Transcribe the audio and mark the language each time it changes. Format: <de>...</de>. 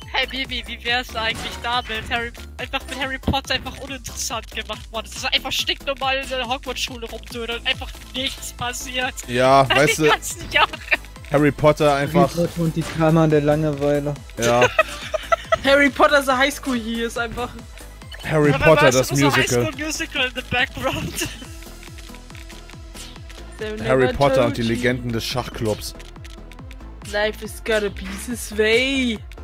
<de>Hey Bibi, wie wär's eigentlich damit? Harry Potter einfach uninteressant gemacht worden. Das ist einfach stinknormal in der Hogwarts-Schule rumdödeln und einfach nichts passiert. Ja, weißt du. Ganzen Jahre. Harry Potter einfach. Harry Potter und die Kammer der Langeweile. Ja. Harry Potter the High School hier ist einfach. Harry Potter das Musical.</de> <en>High School Musical in the background.</en> <de>Harry Potter und die Legenden des Schachclubs.</de> <en>Life is gonna be this way.</en>